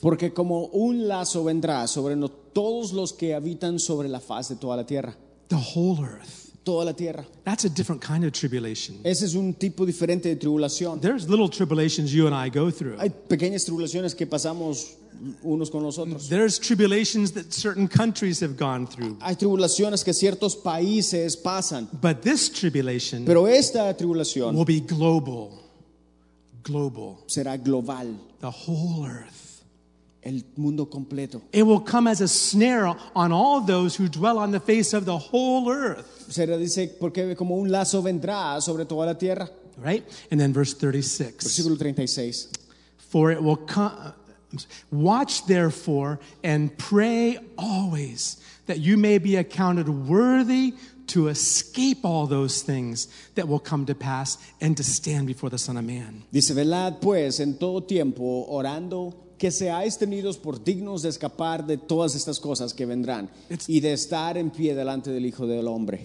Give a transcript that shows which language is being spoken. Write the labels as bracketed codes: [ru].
[es] Porque como un lazo vendrá sobre todos los que habitan sobre la faz de toda la tierra. [en] The whole earth. [es] Toda la tierra. [en] That's a different kind of tribulation. [es] Ese es un tipo diferente de tribulación. [en] There's little tribulations you and I go through. [es] Hay pequeñas tribulaciones que pasamos unos con los otros. [en] There's tribulations that certain countries have gone through. [es] Hay tribulaciones que ciertos países pasan. [en] But this tribulation, [es] pero esta tribulación, [en] will be global. Global. [es] Será global. [en] The whole earth. [es] El mundo completo. [en] It will come as a snare on all those who dwell on the face of the whole earth. [es] Será, dice, porque como un lazo vendrá sobre toda la tierra. [en] Right? And then verse 36. [es] Versículo 36. [en] For it will come. Watch therefore and pray always that you may be accounted worthy to escape all those things that will come to pass and to stand before the Son of Man. [es] Dice, velad pues en todo tiempo orando, que seáis tenidos por dignos de escapar de todas estas cosas que vendrán y de estar en pie delante del Hijo del Hombre.